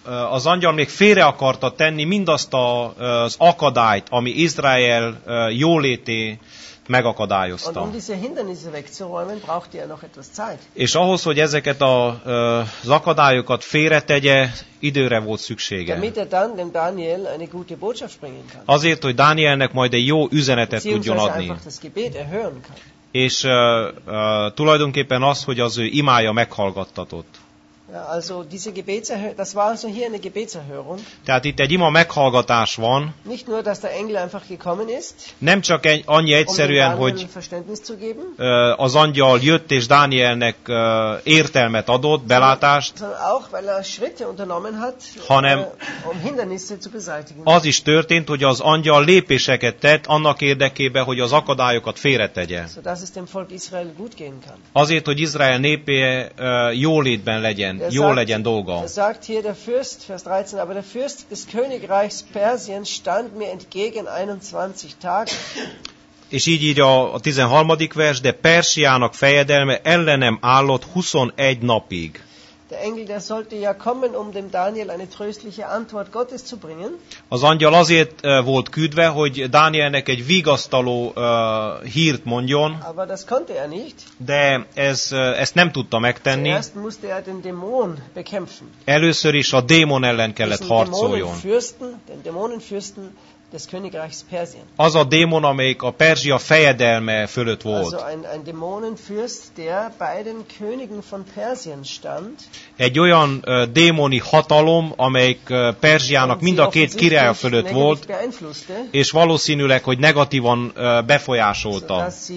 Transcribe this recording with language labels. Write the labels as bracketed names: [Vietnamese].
[Hungarian] Az angyal még félre akarta tenni mindazt az akadályt, ami Izrael jólété megakadályozta. [German] Und um diese Hindernisse wegzuräumen, braucht er noch etwas Zeit. [Hungarian] És ahhoz, hogy ezeket az akadályokat félretegye, időre volt szüksége. [German] Damit er dann dem Daniel eine gute Botschaft bringen kann. [Hungarian] Azért, hogy Dánielnek majd egy jó üzenetet tudjon adni. [German] Beziehungsweise einfach das Gebet erhören kann. [Hungarian] És tulajdonképpen az, hogy az ő imája meghallgattatott. [German] Ja, also diese Gebetserhörung, das war also hier eine Gebetserhörung. [Hungarian] Tehát itt egy ima meghallgatás van. [German] Nicht nur, dass der Engel einfach gekommen ist. [Hungarian] Nem csak annyi egyszerűen, hogy az angyal jött és Dánielnek értelmet adott, belátást. [German] Sondern auch, weil er Schritte unternommen hat, um Hindernisse zu beseitigen. [Hungarian] Az is történt, hogy az angyal lépéseket tett annak érdekében, hogy az akadályokat félretegye. [German] So dass es dem Volk Israel gut gehen kann. [Hungarian] Azért, hogy Izrael népe jólétben legyen. [German] Sagt hier der Fürst, Vers 13, aber der Fürst des Königreichs Persien stand mir entgegen 21 Tage. [Hungarian] És így írja a 13. vers, de Persiának fejedelme ellenem állott 21 napig. [German] Der Engel, der sollte ja kommen, um dem Daniel eine tröstliche Antwort Gottes zu bringen. [Hungarian] Az angyal azért volt küldve, hogy Dánielnek egy vigasztaló hírt mondjon. [German] Aber das konnte er nicht. [Hungarian] De ezt nem tudta megtenni. [German] Zuerst musste er den Dämon bekämpfen. [Hungarian] Először is a démon ellen kellett harcoljon. [German] Den Dämonenfürsten des Königreichs Persien. [Hungarian] Az a démon, amelyik a Perzsia fejedelme fölött volt. [German] Also ein Dämonenfürst, der bei den Königen von Persien stand. [Hungarian] Egy olyan démoni hatalom, amelyik Perzsiának mind a két királya fölött volt, és valószínűleg, hogy negatívan befolyásolta.